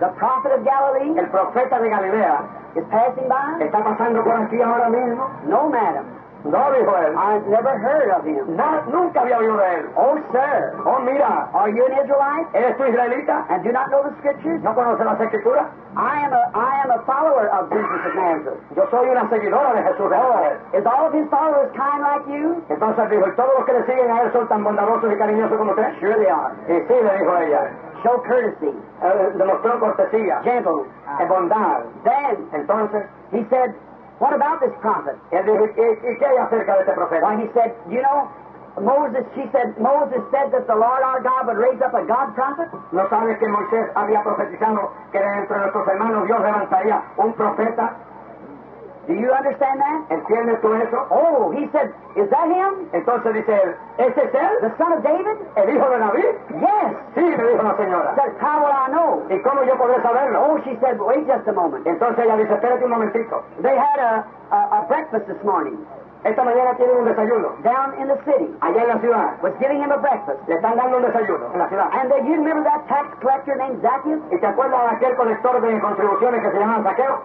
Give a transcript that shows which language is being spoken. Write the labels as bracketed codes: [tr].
[en] the prophet of Galilee, [es] el profeta de Galilea, [en] is passing by? [es] ¿Está pasando por aquí ahora mismo? [en] No, madam. [es] No, dijo él. [en] I've never heard of him. [es] Nunca había oído de él. [en] Oh, sir. [es] Oh, mira. [en] Are you an Israelite? [es] ¿Eres tú israelita? [en] And do not know the scriptures? [es] ¿No conoces las escrituras? [en] I am a follower of Jesus of Nazareth. [es] Yo soy una seguidora de Jesús de Nazaret. [en] Is all of his followers kind like you? [es] Entonces dijo, ¿todos los que le siguen a él son tan bondadosos y cariñosos como usted? [en] Sure they are. [es] Y sí, le dijo ella. [en] Show courtesy. [es] Demostró cortesía. [en] Gentle. [es] Es bondad. [en] Then. [es] Entonces. [en] He said, what about this prophet? [es] Él dijo, ¿y qué hay acerca de este profeta? [en] Why, he said, you know, Moses, she said, Moses said that the Lord our God would raise up a God prophet? [es] ¿No sabes que Moisés había profetizado que dentro de nuestros hermanos Dios levantaría un profeta? [en] Do you understand that? [es] ¿Entiendes tú eso? [en] Oh, he said, is that him? [es] Entonces dice él, ¿ese es él? [en] The son of David? [es] ¿El hijo de David? [en] Yes. [es] Sí, le dijo la señora. [en] Said, how will I know? [es] ¿Y cómo yo podré saberlo? [en] Oh, she said, wait just a moment. [es] Entonces ella dice, espérate un momentito. [en] They had a breakfast this morning. [es] Esta mañana tiene un desayuno. [en] Down in the city. [es] Allá en la ciudad. [en] Was giving him a breakfast. [es] Le están dando un desayuno en la ciudad. [en] And you remember that tax collector named Zacchaeus? [es] ¿Y te acuerdas de aquel colector de contribuciones que se llamaba Zaqueo?